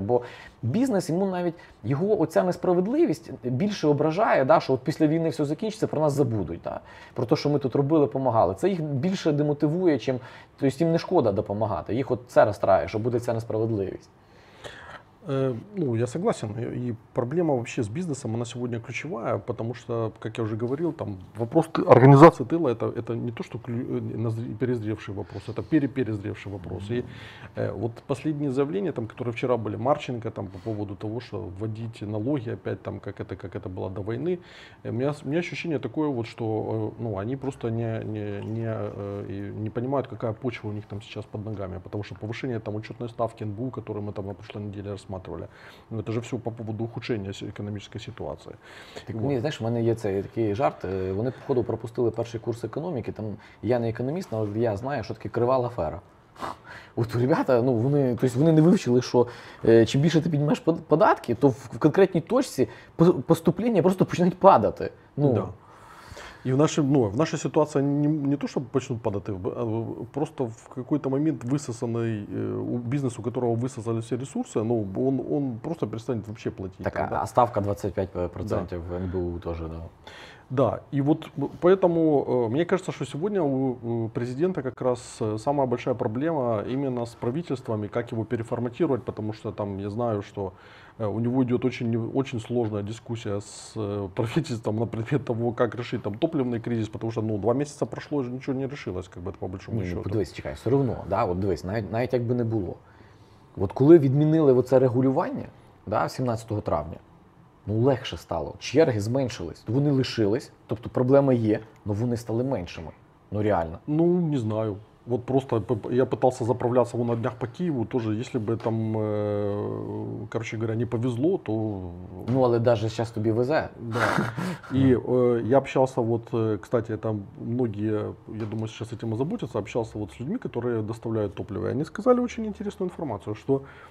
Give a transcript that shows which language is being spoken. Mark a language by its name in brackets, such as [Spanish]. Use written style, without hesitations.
[Ukrainian] Бо бізнес, йому навіть його оця несправедливість більше ображає, да? Що от після війни все закінчиться, про нас забудуть. Да? Про те, що ми тут робили, помагали. Це їх більше демотивує, чим тобто їм не шкода допомагати. Їх от це розстраює, що буде ця несправедливість. [Russian] Ну, я согласен. И проблема вообще с бизнесом, она сегодня ключевая, потому что, как я уже говорил, там вопрос организации тыла это не то, что перезревший вопрос, это переперезревший вопрос. И вот последние заявления, там, которые вчера были, Марченко, там, по поводу того, что вводить налоги опять, там, как это было до войны, у меня ощущение такое, вот, что ну, они просто не понимают, какая почва у них там сейчас под ногами, потому что повышение там, учетной ставки НБУ, которую мы там, на прошлой неделе рассматривали, ну, это же все по поводу ухудшения экономической ситуации. [Ukrainian] Так, вот. Ні, знаєш, у мене є цей такий жарт. Вони, походу, пропустили перший курс економіки. Там я не економіст, але я знаю, що таке крива Лафера. От ребята, ну вони, тобто вони не вивчили, що чим більше ти піднімаєш податки, то в конкретній точці поступлення просто починають падати. Ну, да. [Russian] И в нашей ситуации не то, чтобы почнут падать, а просто в какой-то момент высосанный бизнес, у которого высосали все ресурсы, ну, он просто перестанет вообще платить. Так, тогда. А ставка 25% да. НБУ тоже, да. Да, и вот поэтому мне кажется, что сегодня у президента как раз самая большая проблема именно с правительствами, как его переформатировать, потому что там я знаю, что у него идет очень сложная дискуссия с правительством на предмет того, как решить там топливный кризис, потому что ну, 2 месяца прошло, и ничего не решилось, как бы это по большому счету. [Ukrainian] Ну, подивись, чекай, [Russian] все равно, [Ukrainian] да, вот дивись, навіть якби не було. Вот коли відмінили оце регулювання, да, 17 травня, ну, легше стало. Черги зменшились. Вони лишились. Тобто проблема є, але вони стали меншими. Ну, реально. [Russian] Ну, не знаю. Вот просто я пытался заправляться вон на днях по Киеву, тоже, если бы там, короче говоря, не повезло, то... [Ukrainian] Ну, але [Russian] даже сейчас [Ukrainian] тебе везе. Да. [Russian] И я общался вот, кстати, там многие, я думаю, сейчас этим и заботятся, общался вот с людьми, которые доставляют топливо. И они сказали очень интересную информацию, что